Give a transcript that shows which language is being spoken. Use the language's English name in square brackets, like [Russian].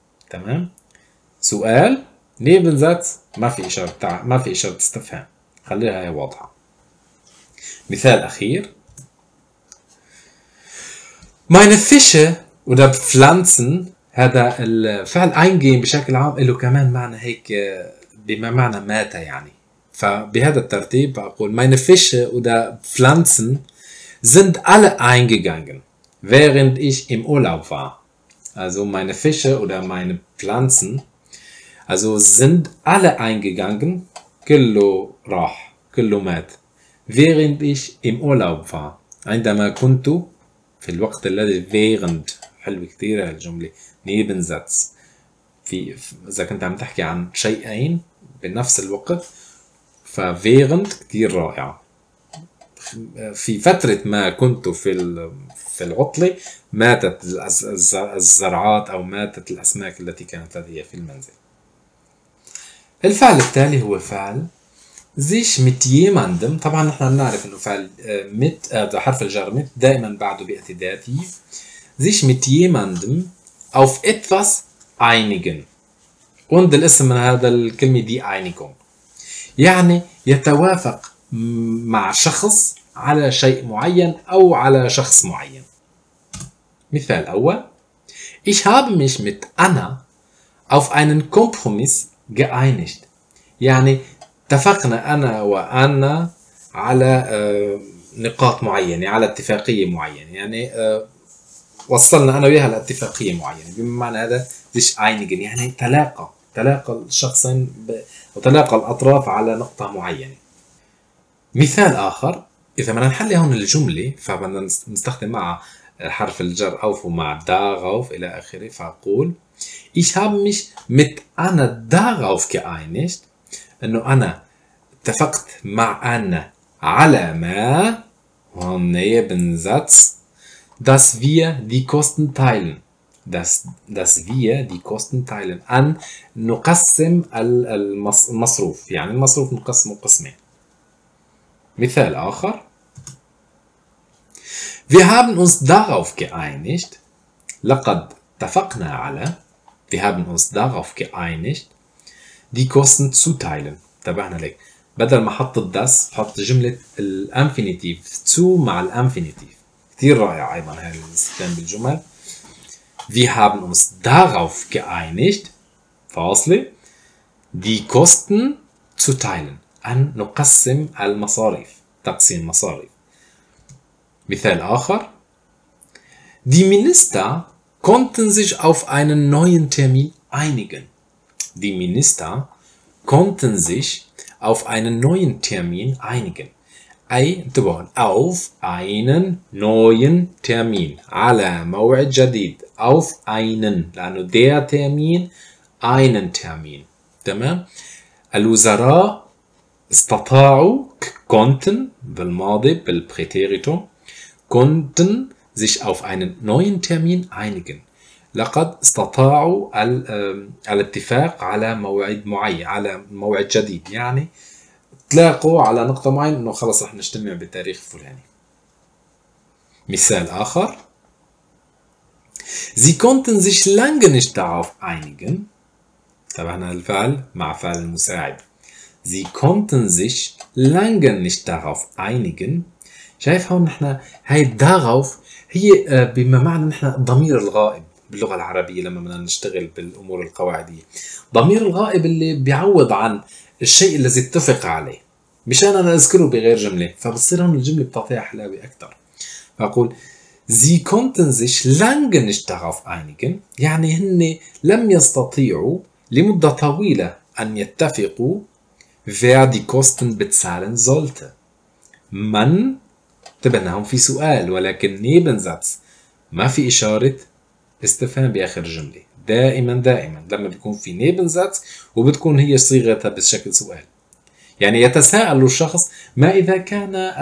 [Arabic] تمام, سؤال Nebensatz ما في إشارة ما في إشارة استفهام, خليها هي واضحة. مثال أخير [German] meine Fische oder Pflanzen, [Arabic] هذا الفعل eingehen بشكل عام له كمان معنى هيك بما معنى مات, يعني فبهذا الترتيب أقول [German] meine Fische oder Pflanzen sind alle eingegangen, während ich im Urlaub war. Also meine Fische oder meine Pflanzen, also sind alle eingegangen, während ich im Urlaub war. [Arabic] عندما كنت في الوقت الذي während حلو كثير هالجملة نيبنزاتس في إذا كنت عم تحكي عن شيئين بنفس الوقت فwährend كثير رائع في فترة ما كنت في العطلة ماتت الزرعات أو ماتت الأسماك التي كانت لدي في المنزل. الفعل التالي هو فعل sich mit jemandem, طبعا نحن نعرف انه فعل mit حرف الجر mit دائما بعده بياتي داتيف, [German] sich mit jemandem auf etwas einigen. [Arabic] Und الاسم من هذا الكلمه دي einigung. يعني يتوافق مع شخص على شيء معين او على شخص معين. مثال اول: [German] Ich habe mich mit Anna auf einen Kompromiss geeinigt. [Arabic] يعني اتفقنا أنا وأنا على نقاط معينة، على اتفاقية معينة، يعني وصلنا أنا وياها لاتفاقية معينة، بمعنى هذا ديش أينيجن، يعني تلاقى الشخصين وتلاقى الأطراف على نقطة معينة. مثال آخر، إذا بدنا نحل هون الجملة، فبدنا نستخدم مع حرف الجر أوف ومع داغوف إلى آخره، فأقول: [German] Ich habe mich mit Anna darauf geeinigt. [Arabic] انه انا اتفقت مع انا على ما هون نيبنزاتس داس فيا دي كوستن تايلن داس فيا دي كوستن تايلن ان نقسم المصروف يعني المصروف نقسمه قسمين. مثال اخر: [German] Wir haben uns darauf geeinigt [Arabic] لقد اتفقنا على [German] Wir haben uns darauf geeinigt die Kosten zu teilen. [Arabic] تابعنا لك بدل ما حط الداس حط جملة الانفينيتيف تو مع الانفينيتيف كثير رائع أيضا هالاستخدام بالجمل. [German] Wir haben uns darauf geeinigt فاصلة die Kosten zu teilen [Arabic] أن نقسم المصاريف تقسيم المصاريف. مثال آخر: [German] Die Minister konnten sich auf einen neuen Termin einigen. Die Minister konnten sich auf einen neuen Termin einigen. [Arabic] أي تبعون [German] auf einen neuen Termin. [Arabic] على موعد جديد. [German] Auf einen. لأنه der Termin. Einen Termin. تمام؟ [Arabic] الوزراء استطاعوا [German] konnten بالماضي بالpräteritum konnten sich auf einen neuen Termin einigen. [Arabic] لقد استطاعوا الاتفاق على موعد معين على موعد جديد يعني تلاقوا على نقطة معينة انه خلص رح نجتمع بالتاريخ الفلاني. مثال آخر: [German] Sie konnten sich lange nicht darauf einigen. [Arabic] تابعنا الفعل مع فعل المساعد. [German] Sie konnten sich lange nicht darauf einigen. [Arabic] شايف هون نحن هاي darauf هي بما معنى نحن ضمير الغائب باللغة العربية لما بدنا نشتغل بالأمور القواعدية. ضمير الغائب اللي بيعوض عن الشيء الذي اتفق عليه. مشان أنا أذكره بغير جملة. فبصير هون الجملة بتعطيها حلاوة أكثر. [German] فأقول: Sie konnten sich lange nicht darauf einigen. [Arabic] يعني هن لم يستطيعوا لمدة طويلة أن يتفقوا [German] wer die Kosten bezahlen sollte. [Arabic] من تبناهم في سؤال ولكن نيبنزاتس ما في إشارة استفهام بآخر جملة دائما دائما لما بيكون في نيبنزاتس وبتكون هي صيغتها بشكل سؤال يعني يتساءل الشخص ما إذا كان